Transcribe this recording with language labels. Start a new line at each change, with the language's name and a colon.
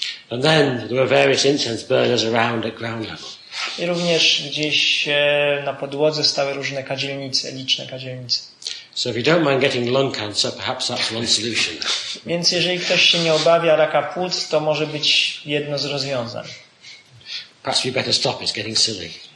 English: And then there were various incense burners around at ground level.
Polish: I również gdzieś na podłodze stały różne kadzielnice, liczne kadzielnice.
English: So if you don't mind getting lung cancer, perhaps that's one solution.
Polish: Więc jeżeli ktoś się nie obawia raka płuc, to może być jedno z rozwiązań.
English: Perhaps we better stop, it's getting silly.